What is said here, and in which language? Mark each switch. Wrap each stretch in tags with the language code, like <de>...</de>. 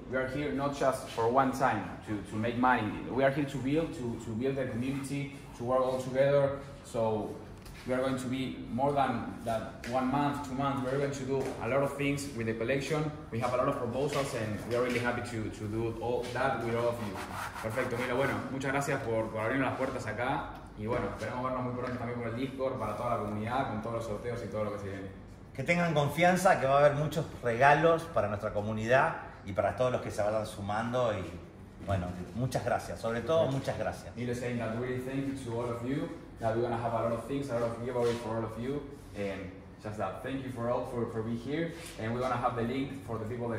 <en>We are here not just for one time to make money. We are here to build the community, to work all together. So we are going to be more than that 1 month, 2 months. We are going to do a lot of things with the collection. We have a lot of proposals and we are really happy to do all that with all of you.</en> <es>Perfecto, Milo. Bueno, muchas gracias por abrirnos las puertas acá. Y bueno, esperamos vernos muy pronto también por el Discord, para toda la comunidad, con todos los sorteos y todo lo que se viene. Que tengan confianza, que va a haber muchos regalos para nuestra comunidad y para todos los que se vayan sumando. Y bueno, muchas gracias. Sobre todo, muchas gracias.</es> <en>Milo is saying that really thank you to all of you. That we're gonna have a lot of things, a lot of giveaways for all of you, and just that. Thank you for being here, and we're gonna have the link for the people that are not connected. Bye.</en>